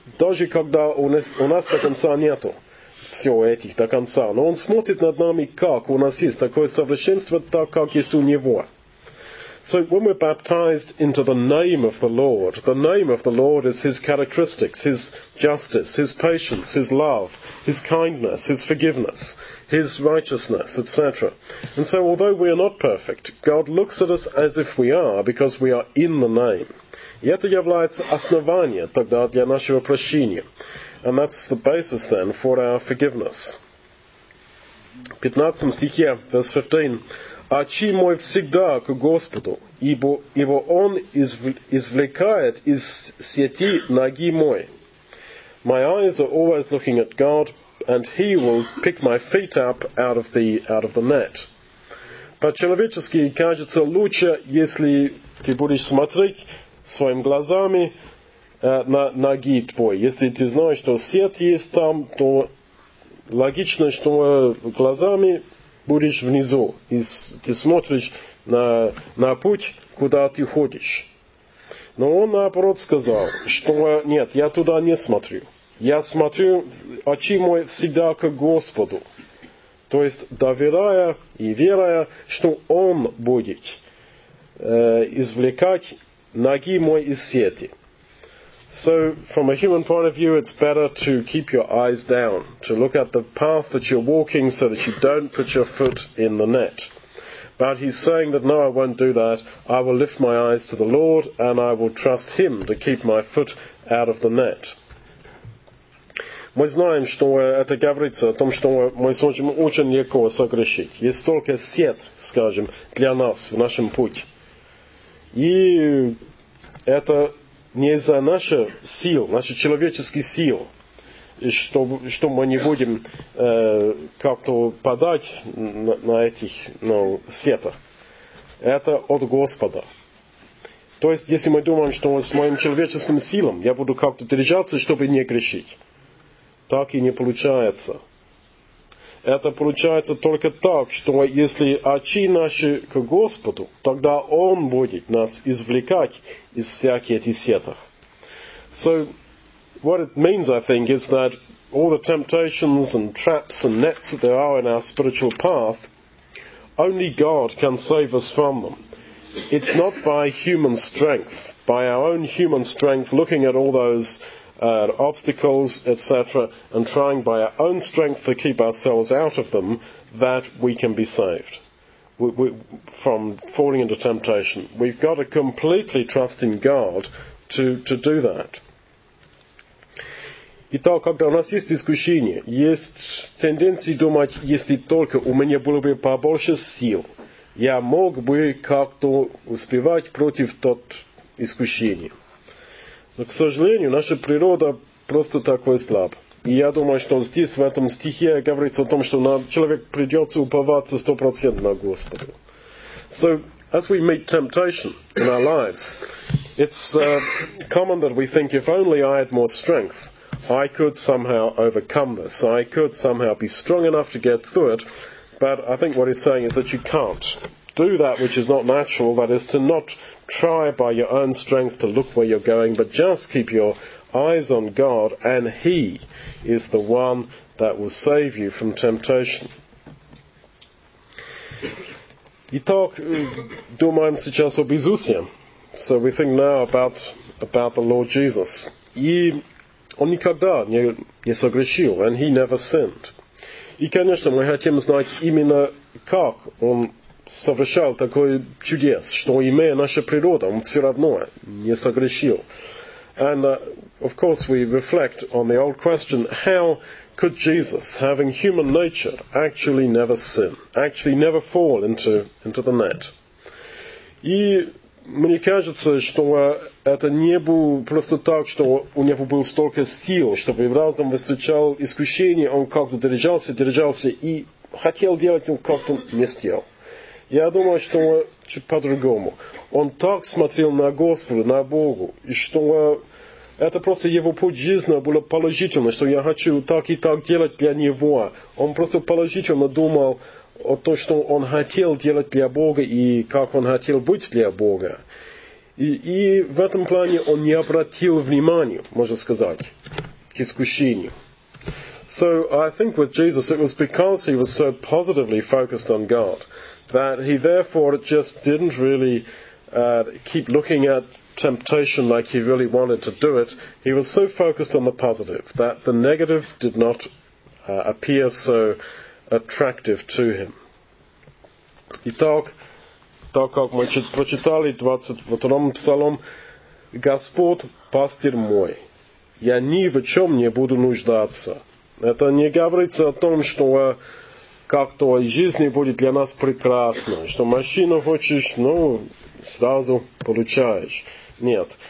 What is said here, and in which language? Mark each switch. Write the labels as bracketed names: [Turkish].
[Russian] Даже когда у нас до конца нету всего этих до конца. Но он смотрит над нами, как у нас есть такое совершенство, так как есть у него. [English] So when we're baptized into the name of the Lord is His characteristics, His justice, His patience, His love, His kindness, His forgiveness, His righteousness, etc. And so although we are not perfect, God looks at us as if we are, because we are in the name. [Russian] И это является основанием тогда для нашего прощения. [English] And that's the basis then for our forgiveness. [Russian] 15 стихе, [English] verse 15. [Russian] Очи мой всегда к Господу, ибо Он извлекает из сети ноги мой. [English] My eyes are always looking at God, and He will pick my feet up out of the net. [Russian] По-человечески кажется лучше, если ты будешь смотреть своими глазами на ноги твои. Если ты знаешь, что сеть есть там, то логично, что глазами будешь внизу, и ты смотришь на путь, куда ты ходишь. Но он наоборот сказал, что нет, я туда не смотрю. Я смотрю, очи мои всегда к Господу. То есть доверяя и веря, что Он будет извлекать ноги мои из сети. [English] So, from a human point of view, it's better to keep your eyes down, to look at the path that you're walking so that you don't put your foot in the net. But he's saying that, no, I won't do that. I will lift my eyes to the Lord, and I will trust Him to keep my foot out of the net. [Russian] Мы знаем, что это говорится о том, что мы сможем очень легко согрешить. Есть только сеть, скажем, для нас в нашем пути. И это не из-за наших человеческих сил, что мы не будем как-то падать на этих сетах. Это от Господа. То есть, если мы думаем, что с моим человеческим силам я буду как-то держаться, чтобы не грешить, так и не получается. Это получается только так, что если очи наши к Господу, тогда Он будет нас извлекать из всяких этих сетов. [English] So, what it means, I think, is that all the temptations and traps and nets that there are in our spiritual path, only God can save us from them. It's not by human strength, by our own human strength, looking at all those obstacles, etc., and trying by our own strength to keep ourselves out of them, that we can be saved from falling into temptation. We've got to completely trust in God to do that. [Russian] Итак, когда у нас есть искушение, есть тенденция думать, если только у меня было бы побольше сил, я мог бы как-то успевать против тот искушение. Но, к сожалению, наша природа просто такой слаб. И я думаю, что здесь, в этом стихе, говорится о том, что человек придется уповаться 100% на Господа. [English] So, as we meet temptation in our lives, it's common that we think, if only I had more strength, I could somehow overcome this. I could somehow be strong enough to get through it. But I think what he's saying is that you can't do that which is not natural, that is to not try by your own strength to look where you're going, but just keep your eyes on God, and He is the one that will save you from temptation. [Russian] Итак, думаем сейчас об Иисусе. [English] So we think now about the Lord Jesus. [Russian] И Он никогда не согрешил, [English] and He never sinned. [Russian] И, конечно, мы хотим знать именно как Он совершал такое чудес, что, имея наша природа, Он все равно не согрешил. [English] And of course, we reflect on the old question, how could Jesus, having human nature, actually never sin, actually never fall into the net? [Russian] И мне кажется, что это не было просто так, что у него было столько сил, чтобы в разум встречал искушение, он как-то держался и хотел делать, но как-то не сделал. Я думаю, что чуть по-другому. Он так смотрел на Господа, на Бога, и что это просто его путь жизни был положительный, что я хочу так и так делать для него. Он просто положительно думал о том, что он хотел делать для Бога и как он хотел быть для Бога. И в этом плане он не обратил внимания, можно сказать, к искушению. [English] So I think with Jesus it was because he was so positively focused on God that he therefore just didn't really keep looking at temptation like he really wanted to do it. He was so focused on the positive that the negative did not appear so attractive to him. [Russian] Итак, так как мы прочитали 22-м псалом, Господь, пастырь мой, я ни в чем не буду нуждаться. Это не говорится о том, что как-то жизнь будет для нас прекрасна, что машину хочешь, ну, сразу получаешь. Нет.